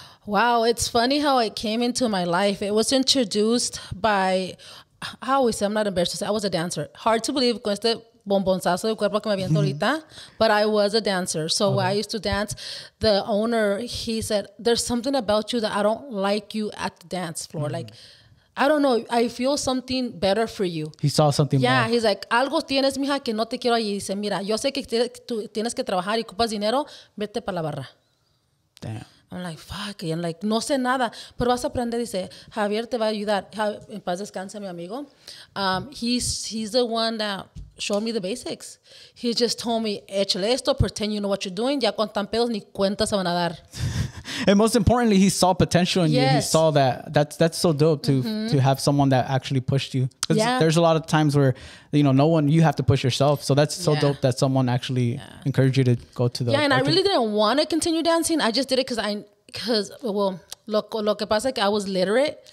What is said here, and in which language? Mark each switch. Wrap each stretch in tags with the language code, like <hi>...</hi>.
<en>Wow, it's funny how it came into my life. It was introduced by, I always say, I'm not embarrassed to say, I was a dancer. Hard to believe,</en> <es>con este bombonzazo de cuerpo que me aviento ahorita,</es> <en>but I was a dancer. So I used to dance. The owner, he said, there's something about you that I don't like you at the dance floor. Mm-hmm. Like, I don't know, I feel something better for you. He saw something yeah, more. Yeah, he's like,</en> <es>algo tienes, mija, que no te quiero allí. Dice, mira, yo sé que tú tienes que trabajar y ocupas dinero, vete para la barra.</es> <en>Damn. I'm like, fuck. And I'm like,</en> <es>no sé nada. Pero vas a aprender. Dice, Javier te va a ayudar. En paz descanse, mi amigo.</es> <en>He's the one that showed me the basics. He just told me,</en> <es>échale esto,</es> <en>pretend you know what you're doing.</en> <es>Ya con tan pedos ni cuenta se van a dar.</es> <en>And most importantly, he saw potential in you. He saw that. That's so dope to have someone that actually pushed you. Because There's a lot of times where, you know, you have to push yourself. So that's so dope that someone actually encouraged you to go to the... Yeah, and I really didn't want to continue dancing. I just did it because</en> <es>que pasa que</es> <en>I was literate.</en>